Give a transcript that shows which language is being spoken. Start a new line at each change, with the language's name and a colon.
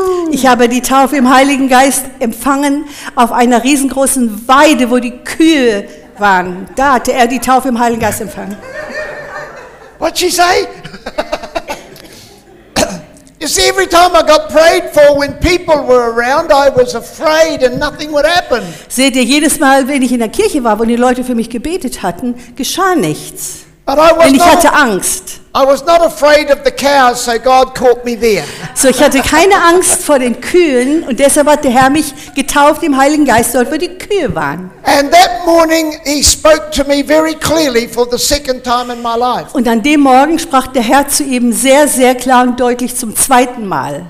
German: Ich habe die Taufe im Heiligen Geist empfangen auf einer riesengroßen Weide, wo die Kühe waren. Da hatte er die Taufe im Heiligen Geist empfangen.
English: What she say? You see, every time I got prayed for, when people were around, I was afraid and nothing would happen.
German: Seht ihr, jedes Mal, wenn ich in der Kirche war, wo die Leute für mich gebetet hatten, geschah nichts.
English: But I was
German: denn ich hatte Angst.
English: I was not afraid of the cows, so God caught me there.
German: So ich hatte keine Angst vor den Kühen und deshalb hat der Herr mich getauft im Heiligen Geist dort, wo die Kühe waren.
English: And that morning he spoke to me very clearly for the second time in my life.
German: Und an dem Morgen sprach der Herr zu ihm sehr, sehr klar und deutlich zum zweiten Mal.